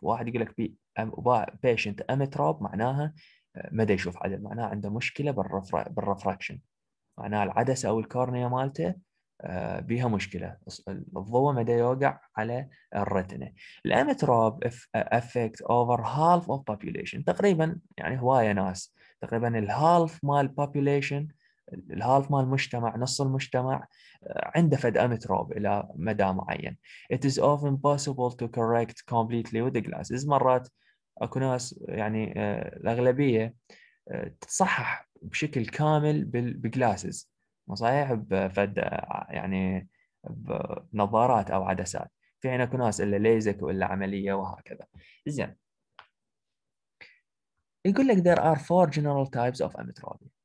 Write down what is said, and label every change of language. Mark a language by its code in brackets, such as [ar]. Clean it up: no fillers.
[ar] واحد يقول لك بيشنت اميتروب معناها ما دا يشوف عدل، معناه عنده مشكله بالرفراكشن، معناه العدسه او الكورنيا مالته بيها مشكله، الضوء ما دا يوقع على الرتنه. الاميتروب افكت اوفر هالف اوف بوبيوليشن، تقريبا يعني هوايه ناس، تقريبا الهالف مال بوبيوليشن، الهالف مال المجتمع، نص المجتمع عنده فد اميتروب الى مدى معين. [en] It is often possible to correct completely with the glasses. [ar] مرات اكو ناس يعني الاغلبيه تصحح بشكل كامل بجلاسز، مو صحيح بفد يعني بنظارات او عدسات، في عندنا اكو ناس الا ليزك والا عمليه وهكذا. زين يقول لك [en] there are four general types of ametropia.